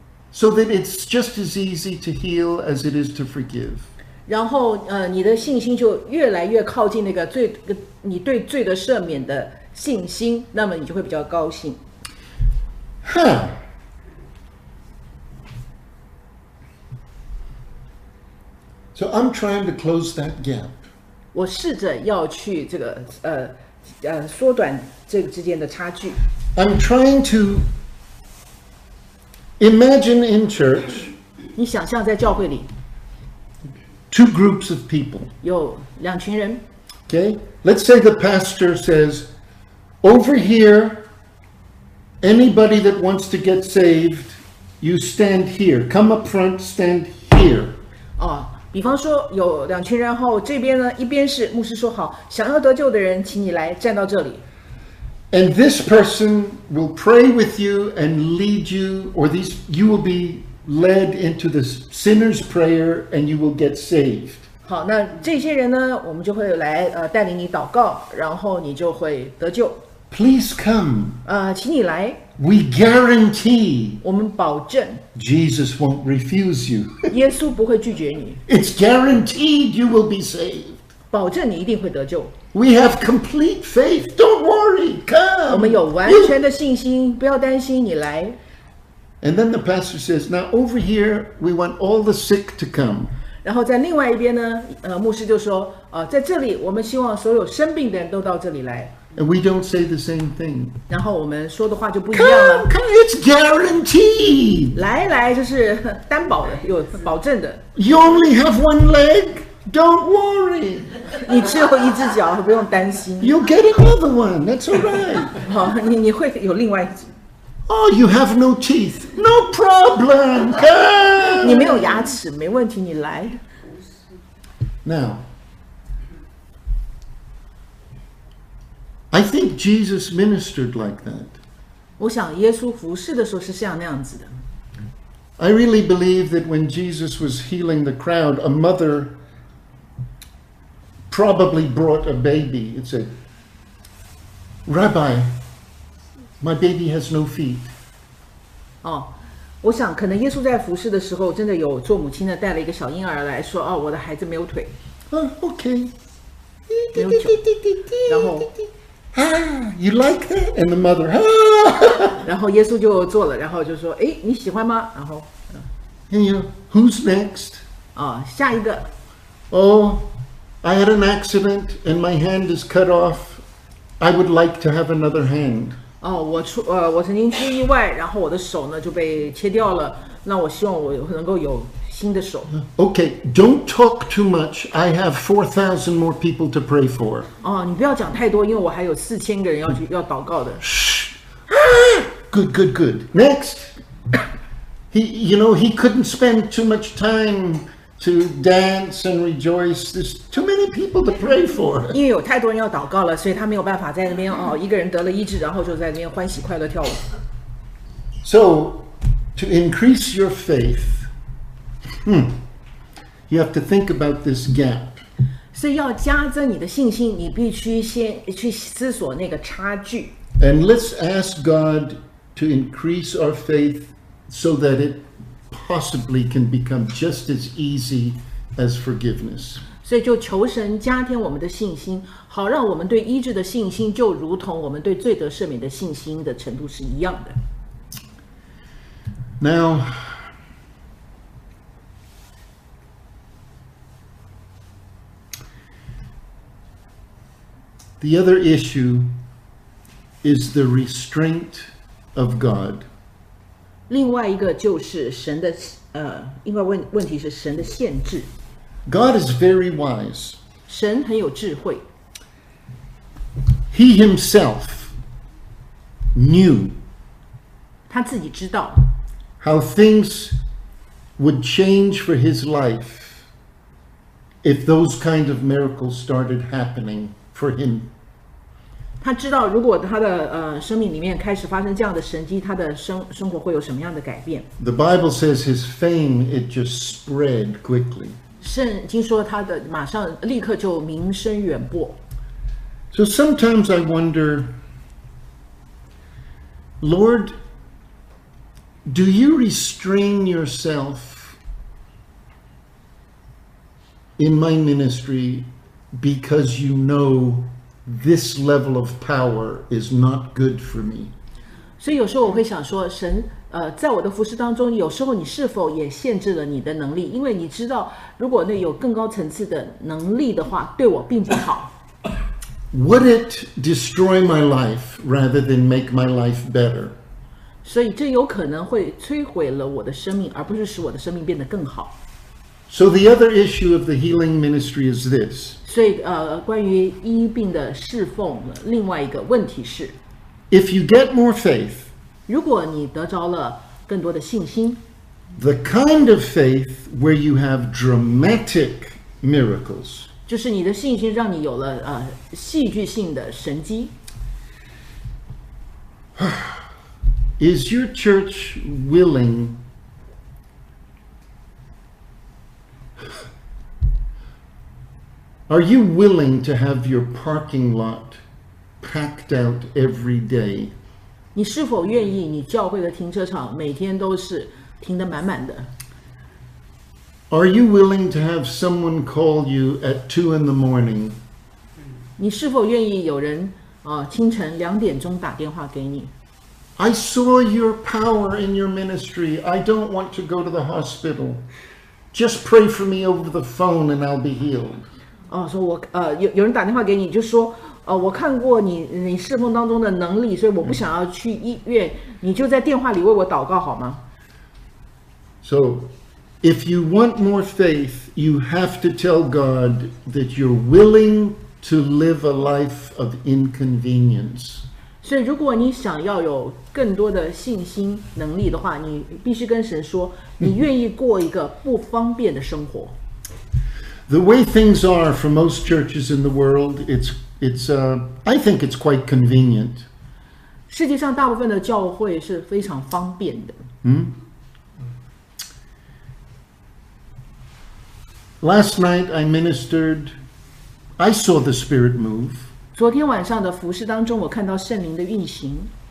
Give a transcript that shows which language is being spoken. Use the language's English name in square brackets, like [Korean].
[English] So that it's just as easy to heal as it is to forgive. [Chinese] 然后你的信心就越来越靠近那个罪，你对罪的赦免的信心，那么你就会比较高兴。 Huh. [English] So I'm trying to close that gap. [Chinese] 我试着要去这个缩短这个之间的差距。 [English] I'm trying to imagine in church. [Chinese] 你想象在教会里。 [English] Two groups of people. [Chinese] 有两群人。 [English] Okay, let's say the pastor says, over here, anybody that wants to get saved, you stand here. Come up front, stand here. [Chinese] 哦，比方说有两群人，然后这边呢，一边是牧师说好，想要得救的人，请你来站到这里。 [English] And this person will pray with you and lead you, or these, you will be led into the sinner's prayer and you will get saved. [Chinese] 好，那这些人呢，我们就会来带领你祷告，然后你就会得救。 [English] Please come. [Chinese] 请你来。 [English] We guarantee. [Chinese] 我们保证。 [English] Jesus won't refuse you. [Chinese] 耶稣不会拒绝你。 [English] It's guaranteed you will be saved. [Chinese] 保证你一定会得救。 [English] We have complete faith. Don't worry. Come. [Chinese] 我们有完全的信心，不要担心，你来。 [English] And then the pastor says, now over here, we want all the sick to come. [Chinese] 然后在另外一边呢，牧师就说，在这里我们希望所有生病的人都到这里来。 [English] And we don't say the same thing. [Chinese] 然后我们说的话就不一样了。 [English] Come, come, it's guaranteed. [Chinese] 来来，就是担保的，有保证的。 [English] You only have one leg. Don't worry. [Chinese] 你只有一只脚，不用担心。 [English] You'll get another one. That's all right. [Chinese] 好，你会有另外一只。 [English] Oh, you have no teeth. No problem. Come. [Chinese] 你没有牙齿，没问题，你来。 [English] Now, I think Jesus ministered like that. [Chinese] 我想耶稣服事的时候是像那样子的。 [English] I really believe that when Jesus was healing the crowd, a mother probably brought a baby. It said, Rabbi, my baby has no feet. [Chinese] 哦，我想可能耶稣在服事的时候，真的有做母亲的带了一个小婴儿来说：“哦，我的孩子没有腿。” [English] OK， [Chinese] 没有脚。然后 [English] 啊 ，You like that? And the mother 啊， [Chinese] 然后耶稣就做了，然后就说：“哎，你喜欢吗？” 然后 [English] ，And you, who's next? [Chinese] 哦，下一个。 [English] Oh, I had an accident and my hand is cut off. I would like to have another hand. [Chinese] 哦，我曾经出意外，然后我的手呢就被切掉了。那我希望我能够有新的手。 [English] Okay, don't talk too much. I have 4,000 more people to pray for. [Chinese] 哦，你不要讲太多，因为我还有4,000个人要祷告的。 [English] Shh. Good, good, good. Next. He couldn't spend too much time to dance and rejoice. There's too many people to pray for. [Chinese] 因为有太多人要祷告了，所以他没有办法在那边哦，一个人得了医治，然后就在那边欢喜快乐跳舞。 [English] So, to increase your faith, you have to think about this gap. [Chinese] 所以要加增你的信心，你必须先去思索那个差距。 [English] And let's ask God to increase our faith so that it. Possibly can become just as easy as forgiveness. [Chinese] 所以就求神加添我们的信心，好让我们对医治的信心，就如同我们对罪得赦免的信心的程度是一样的。 [English] Now, the other issue is the restraint of God. [Chinese] 另外一个就是神的另外问题是神的限制。 [English] God is very wise. [Chinese] 神很有智慧。 [English] He himself knew. [Chinese] 他自己知道。 [English] How things would change for his life if those kind of miracles started happening for him. [Chinese] 他知道如果他的生命里面开始发生这样的神迹，他的生活会有什么样的改变。 [English] The Bible says his fame it just spread quickly. [Chinese] 圣经说他的马上立刻就名声远播。 [English] So sometimes I wonder, Lord, do you restrain yourself in my ministry because you know this level of power is not good for me? [Chinese] 所以有时候我会想说，神，在我的服事当中，有时候你是否也限制了你的能力？因为你知道，如果那有更高层次的能力的话，对我并不好。 [English] Would it destroy my life rather than make my life better? [Chinese] 所以这有可能会摧毁了我的生命，而不是使我的生命变得更好。 [English] So the other issue of the healing ministry is this. [Chinese] 所以关于医病的侍奉，另外一个问题是。 [English] If you get more faith, [Chinese] 如果你得着了更多的信心, [English] the kind of faith where you have dramatic miracles, [Chinese] 就是你的信心让你有了戏剧性的神迹, [English] is your church willing are you willing to have your parking lot packed out every day. [Chinese] 你是否愿意你教会的停车场每天都是停得满满的? [English] Are you willing to have someone call you at 2 in the morning? [Chinese] 你是否愿意有人清晨两点钟打电话给你? [English] I saw your power in your ministry. I don't want to go to the hospital. Just pray for me over the phone and I'll be healed. [Chinese] 说我有人打电话给你就说我看过你侍奉当中的能力，所以我不想要去医院，你就在电话里为我祷告好吗？ [English] So, if you want more faith, you have to tell God that you're willing to live a life of inconvenience. [Chinese] 所以如果你想要有更多的信心能力的话，你必须跟神说，你愿意过一个不方便的生活。 [English] The way things are for most churches in the world, I think it's quite convenient. [Chinese] 世界上大部分的教会是非常方便的。 [English] Last night I ministered, I saw the Spirit move. [Chinese] 昨天晚上的服事当中我看到圣灵的运行。